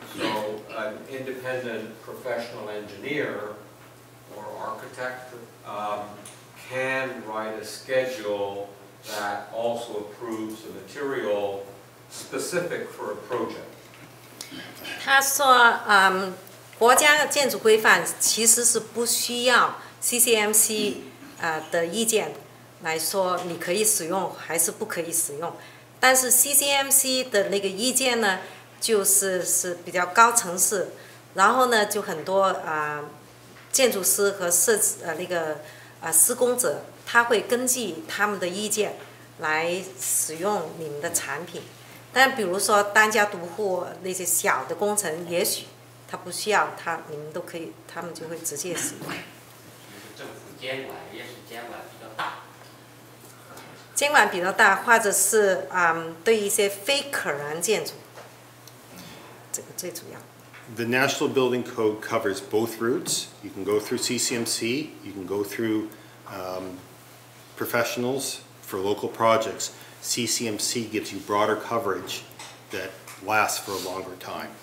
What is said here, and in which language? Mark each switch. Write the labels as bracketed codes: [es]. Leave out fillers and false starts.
[en] So an independent professional engineer or architect can write a schedule that also approves the material specific for a project. [zh] 他说，国家的建筑规范其实是不需要CCMC 的意见来说你可以使用还是不可以使用但是 CCMC 的那个意见呢就是比较高层次然后呢就很多建筑师和设计那个施工者他会根据他们的意见来使用你们的产品，但比如说单家独户那些小的工程，也许他不需要，他你们都可以，他们就会直接使用。政府监管，也许监管比较大，监管比较大，或者是对一些非可燃建筑，这个最主要。 [en] The National Building Code covers both routes. You can go through CCMC, you can go through professionals for local projects. CCMC gives you broader coverage that lasts for a longer time.